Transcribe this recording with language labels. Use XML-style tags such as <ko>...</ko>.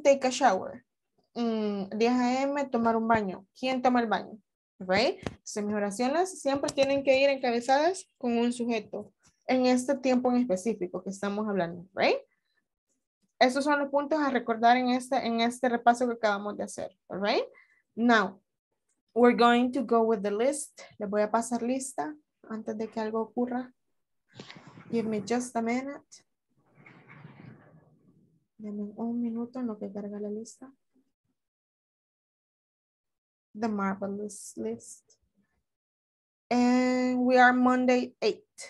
<en>take a shower.</en> <es>10 a.m. tomar un baño. ¿Quién toma el baño? Right? Entonces, mis oraciones siempre tienen que ir encabezadas con un sujeto. En este tiempo en específico que estamos hablando, right? Esos son los puntos a recordar en este repaso que acabamos de hacer, right?</es> <en>Now, we're going to go with the list.</en> <es>Les voy a pasar lista antes de que algo ocurra.</es> <en>Give me just a minute.</en> <es>Denme un minuto en lo que carga la lista.</es> <en>The marvelous list. And we are Monday 8.</en>